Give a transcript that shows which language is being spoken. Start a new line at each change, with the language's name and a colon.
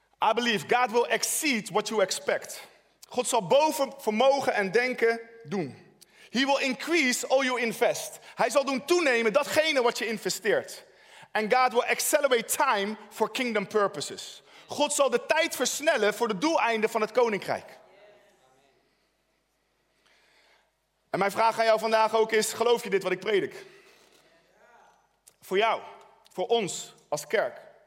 English: I believe God will exceed what you expect.
Dutch: God zal boven vermogen en denken doen.
English: He will increase all you invest.
Dutch: Hij zal doen toenemen datgene wat je investeert.
English: And God will accelerate time for kingdom purposes.
Dutch: God zal de tijd versnellen voor de doeleinden van het koninkrijk. En mijn vraag aan jou vandaag ook is, geloof je dit wat ik predik? Voor jou, voor ons als kerk.